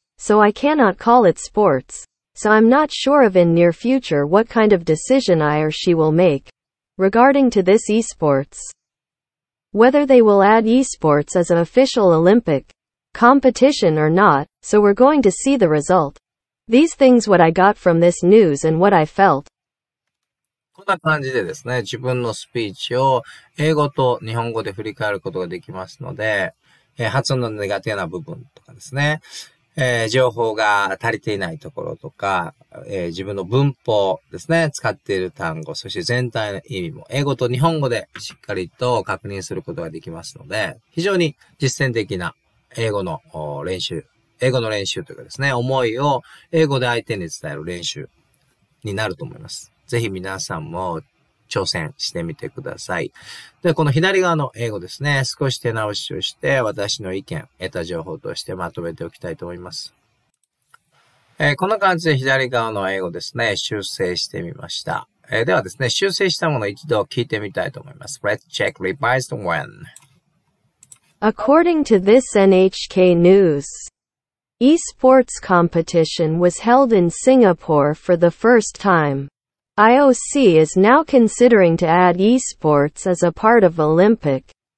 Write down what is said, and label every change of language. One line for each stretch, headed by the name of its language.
English: So I cannot call it sports. So I'm not sure of in near future what kind of decision I or she will make regarding to this esports. Whether they will add esports as an official Olympic competition or not, so we're going to see the result. These things what I got from this news and what I felt.
Japanese: こんな感じでですね、自分のスピーチを英語と日本語で振り返ることができますので、発音の苦手な部分とかですね、情報が足りていないところとか、自分の文法ですね、使っている単語、そして全体の意味も英語と日本語でしっかりと確認することができますので、非常に実践的な英語の練習、英語の練習というかですね、思いを英語で相手に伝える練習になると思います。ぜひ皆さんも挑戦してみてください。で、この左側の英語ですね、少し手直しをして、私の意見、得た情報としてまとめておきたいと思います。こんな感じで左側の英語ですね、修正してみました。ではですね、修正したものを一度聞いてみたいと思います。
English: Let's check revised one. According to this NHK news, esports competition was held in Singapore for the first time. IOC is now considering to add esports as a part of Olympic.